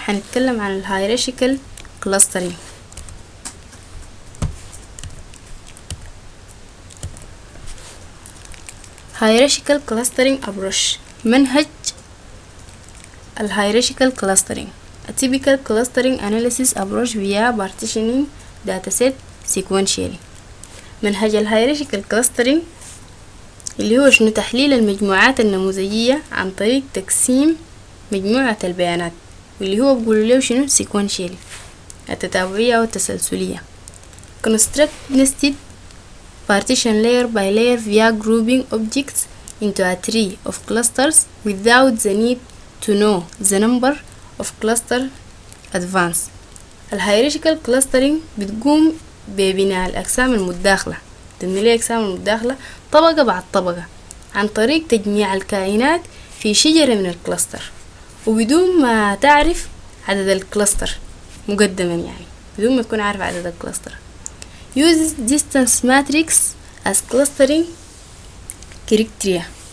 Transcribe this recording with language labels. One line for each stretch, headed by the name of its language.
Arabic: هنتكلم عن الهيراركيكال كلاسترينج. هيراركيكال كلاسترينج ابروش، منهج الهيراركيكال كلاسترينج.
English: A typical clustering analysis approach via partitioning dataset sequentially.
Arabic: منهج الهيراركيكال كلاسترينج اللي هو شنو؟ تحليل المجموعات النموذجية عن طريق تقسيم مجموعة البيانات، واللي هو بقول له شنو؟ sequentially، التتابعية أو التسلسلية.
English: Construct nested partition layer by layer via grouping objects into a tree of clusters without the need to know the number of cluster advance.
Arabic: الهيراركيكال كلاسترينج بتقوم ببناء الأقسام المتداخلة، تبني لي أقسام المتداخلة طبقة بعد طبقة عن طريق تجميع الكائنات في شجرة من الكلاستر، وبدون ما تعرف عدد الكلاستر مقدما، يعني بدون ما تكون عارف عدد الكلاستر.
English: Use distance matrix as clustering criteria.